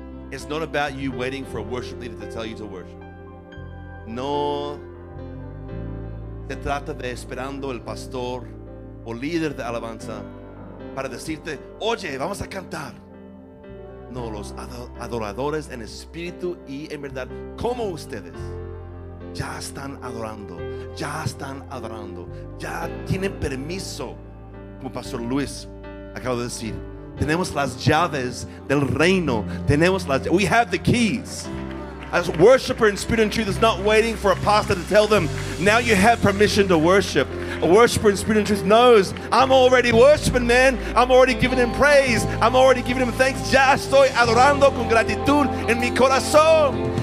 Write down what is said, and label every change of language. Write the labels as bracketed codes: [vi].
[en] It's not about you waiting for a worship leader to tell you to worship. [es] No se trata de esperando el pastor o líder de alabanza para decirte, oye, vamos a cantar. No, los adoradores en espíritu y en verdad, como ustedes, ya están adorando, ya están adorando, ya tienen permiso. Como Pastor Luis acaba de decir, tenemos las llaves del reino. Tenemos las. [en] We have the keys. As a worshiper in spirit and truth is not waiting for a pastor to tell them, now you have permission to worship. A worshiper in spirit and truth knows, I'm already worshiping, man. I'm already giving him praise. I'm already giving him thanks. [es] Ya estoy adorando con gratitud en mi corazón.